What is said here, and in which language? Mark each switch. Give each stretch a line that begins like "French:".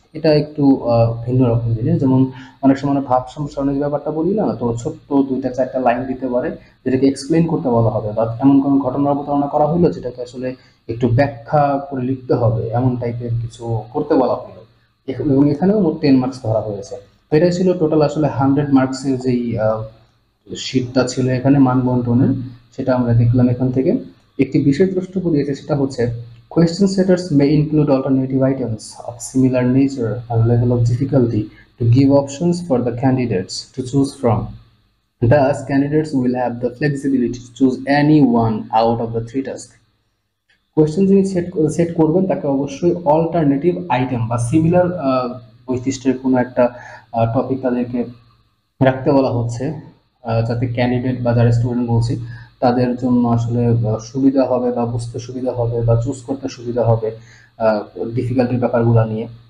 Bangla: এটা একটু ভিন্ন রকম জিনিস, যেমন অনেক সময় আমরা ভাব সম্প্রসারণের ব্যাপারটা বলি না, তো ছোট্ট 2টা 4টা লাইন দিতে পারে যেটাকে এক্সপ্লেন করতে বলা হবে, বা এমন কোনো ঘটনার অবতারণা করা হলো যেটাকে আসলে একটু ব্যাখ্যা করে লিখতে হবে, এমন টাইপের কিছু করতে বলা হলো। এবং এখানেও মোট 10 মার্কস ধরা হয়েছে। তো এটাই ছিল টোটাল আসলে 100 মার্কসের যেই শীটটা ছিল এখানে মান বন্টনের, সেটা আমরা দেখলাম এখান থেকে। একটি বিশেষ দ্রষ্টব্য দিয়েছে, সেটা হচ্ছে
English: Question setters may include alternative items of similar nature and level of difficulty to give options for the candidates to choose from. Thus, candidates will have the flexibility to choose any one out of the 3 tasks.
Bangla: Question যিনি set করবেন তাকে অবশ্যই alternative item বা similar বৈশিষ্ট্যের কোনো একটা topic তাদেরকে রাখতে বলা হচ্ছে, যাতে ক্যান্ডিডেট বা যারা স্টুডেন্ট বলছি তাদের জন্য আসলে সুবিধা হবে, বা বুঝতে সুবিধা হবে, বা চুজ করতে সুবিধা হবে ডিফিকাল্টির ব্যাপারগুলো নিয়ে।